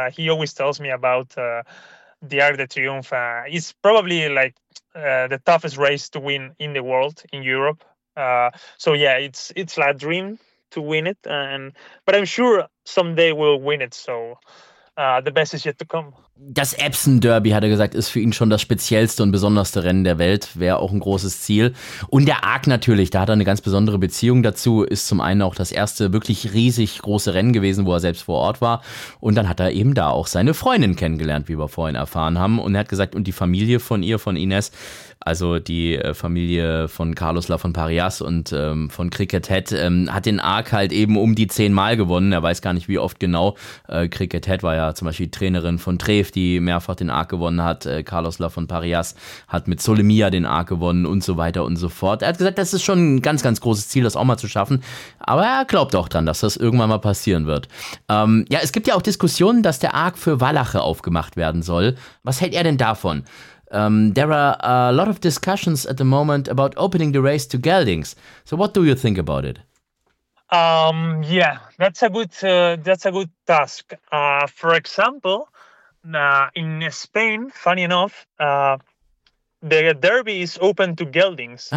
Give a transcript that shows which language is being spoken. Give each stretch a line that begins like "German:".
English: He always tells me about the Arc de Triomphe. It's probably like the toughest race to win in the world, in Europe. So yeah, it's like a dream to win it, and but I'm sure someday we'll win it. So the best is yet to come.
German: Das Epsom Derby, hat er gesagt, ist für ihn schon das speziellste und besonderste Rennen der Welt. Wäre auch ein großes Ziel. Und der Arc natürlich, da hat er eine ganz besondere Beziehung dazu. Ist zum einen auch das erste wirklich riesig große Rennen gewesen, wo er selbst vor Ort war. Und dann hat er eben da auch seine Freundin kennengelernt, wie wir vorhin erfahren haben. Und er hat gesagt, und die Familie von ihr, von Ines, also die Familie von Carlos Lafonparrias und von Cricket Head, hat den Arc halt eben um die 10 Mal gewonnen. Er weiß gar nicht, wie oft genau. Cricket Head war ja zum Beispiel Trainerin von Tre, die mehrfach den Arc gewonnen hat. Carlos Lafonparrias hat mit Solemia den Arc gewonnen und so weiter und so fort. Er hat gesagt, das ist schon ein ganz, ganz großes Ziel, das auch mal zu schaffen. Aber er glaubt auch dran, dass das irgendwann mal passieren wird. Ja, es gibt ja auch Diskussionen, dass der Arc für Walache aufgemacht werden soll. Was hält er denn davon?
English: There are a lot of discussions at the moment about opening the race to Geldings. So what do you think about it? Yeah, that's a good task. For example, in Spain, funny enough, the Derby is open to geldings.